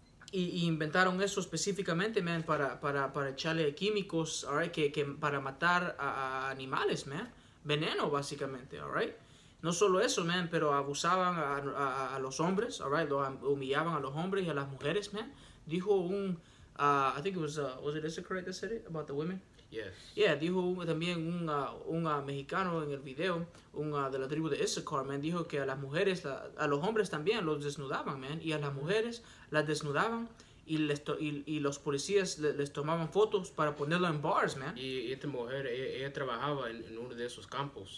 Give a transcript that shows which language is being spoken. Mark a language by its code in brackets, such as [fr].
[es] Y inventaron eso específicamente, man, para echarle químicos, all right, que para matar a animales, man. Veneno, básicamente, all right. No solo eso, man, pero abusaban a los hombres, all right. Los humillaban a los hombres y a las mujeres, man. Dijo un, [en] I think it was it Issachar that said it about the women? Yes. [es] Yeah, dijo también un mexicano en el video, un de la tribu de Issachar, man, dijo que a las mujeres, a los hombres también los desnudaban, man, y a las mujeres las desnudaban. Y los policías les tomaban fotos para ponerlo en bars, man. Y esta mujer, ella trabajaba en uno de esos campos.